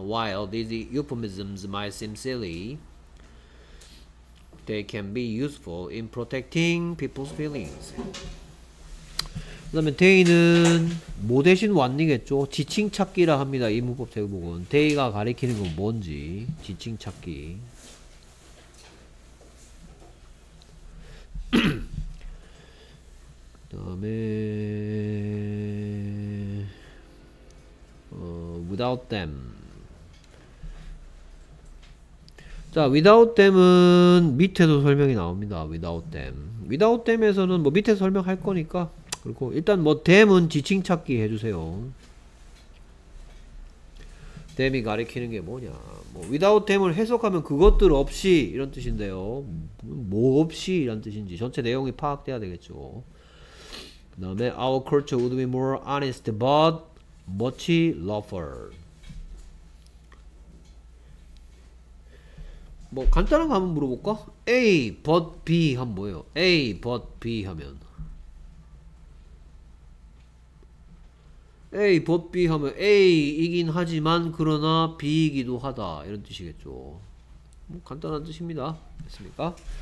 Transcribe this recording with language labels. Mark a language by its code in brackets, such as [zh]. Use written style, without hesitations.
[en] while these euphemisms might seem silly, they can be useful in protecting people's feelings. [ko] 그 다음에 데이는 뭐 대신 왔니겠죠? 지칭찾기라 합니다. 이 문법 대부분 데이가 가리키는 건 뭔지 지칭찾기. 그 다음에 [en] without them. [ko] 자 [en] without them [ko] 은 밑에도 설명이 나옵니다. without them, without them에서는 뭐 밑에 설명할 거니까 그리고 일단 뭐 댐은 지칭찾기 해주세요. 댐이 가리키는 게 뭐냐, 뭐 without 댐을 해석하면 그것들 없이 이런 뜻인데요. 뭐 없이 이런 뜻인지 전체 내용이 파악돼야 되겠죠. 그 다음에 [en] our culture would be more honest but much rougher. [ko] 뭐 간단한 거 한번 물어볼까? A, but B 하면 뭐예요? A, but B 하면 A, but B 하면 A이긴 하지만 그러나 B이기도 하다 이런 뜻이겠죠. 뭐 간단한 뜻입니다. 됐습니까?